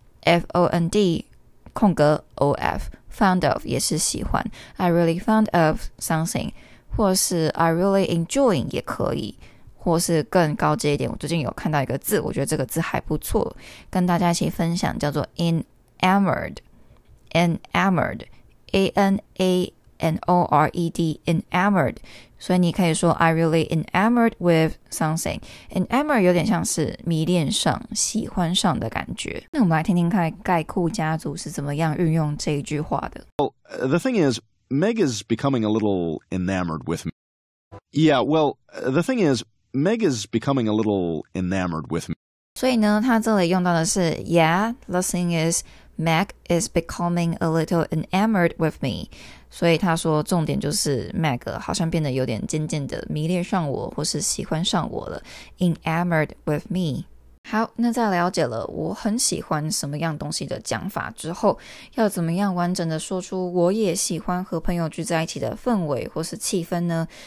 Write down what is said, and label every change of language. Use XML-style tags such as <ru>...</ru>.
<zh>F-O-N-D, 空格</zh> <en>O-F, fond of,</en> <zh>也是喜欢</zh> <en>I really fond of something,</en> <zh>或是</zh> <en>I really enjoying</en> <zh>也可以，或是更高阶一点，我最近有看到一个字，我觉得这个字还不错，跟大家一起分享，叫做</zh> <en>enamored, enamored, A-N-A-N-O-R-E-D, enamored.</en> <zh>所以你可以说</zh> <en>I really enamored with something.</en> <zh>Enamored 有点像是迷恋上、喜欢上的感觉。那我们来听听看盖库家族是怎么样运用这一句话的。</zh> <en>Well, the thing is, Meg is becoming a little enamored with me. Yeah, well, the thing is,Meg is becoming a little enamored with me.</en> <zh>所以呢，他这里用到的是</zh> <en>Yeah, the thing is, Meg is becoming a little enamored with me.</en> <zh>所以他说重点就是 Meg 好像变得有点渐渐的迷恋上我，或是喜欢上我了。</zh> <en>Enamored with me.</en> <zh>好，那在了解了我很喜欢什么样东西的讲法之后，要怎么样完整的说出我也喜欢和朋友聚在一起的氛围或是气氛呢？</zh>